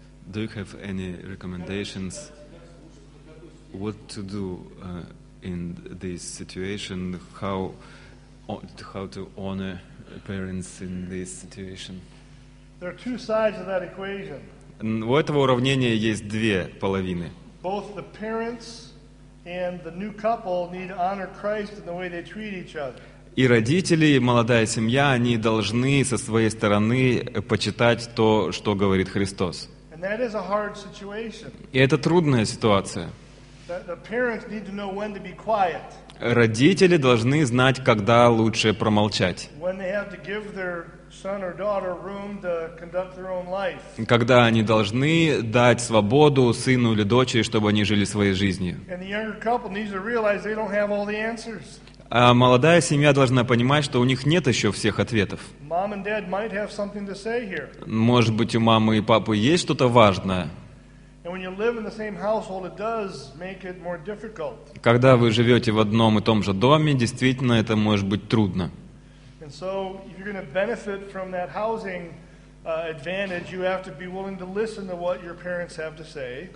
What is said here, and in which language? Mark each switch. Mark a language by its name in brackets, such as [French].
[English] Do you have any recommendations what to do in this situation, how to honor parents in this situation? There are two sides of that equation. [Russian] У этого уравнения есть две половины. [English] Both the parents and the new couple need to honor Christ in the way they treat each other. [Russian] И родители, и молодая семья, они должны со своей стороны почитать то, что говорит Христос. [English] And that is a hard situation. [Russian] И это трудная ситуация. [English] The parents need to know when to be quiet. [Russian] Родители должны знать, когда лучше промолчать. [English] When they have to give their son or daughter room to conduct their own life. [Russian] Когда они должны дать свободу сыну или дочери, чтобы они жили своей жизнью. [English] And the younger couple needs to realize they don't have all the answers. [Russian] А молодая семья должна понимать, что у них нет еще всех ответов. [English] Mom and dad might have something to say here. [Russian] Может быть, у мамы и папы есть что-то важное. [English] And when you live in the same household, it does make it more difficult. [Russian] Когда вы живете в одном и том же доме, действительно, это может быть трудно. [English] And so, if you're going to benefit from that housing advantage, you have to be willing to listen to what your parents have to say.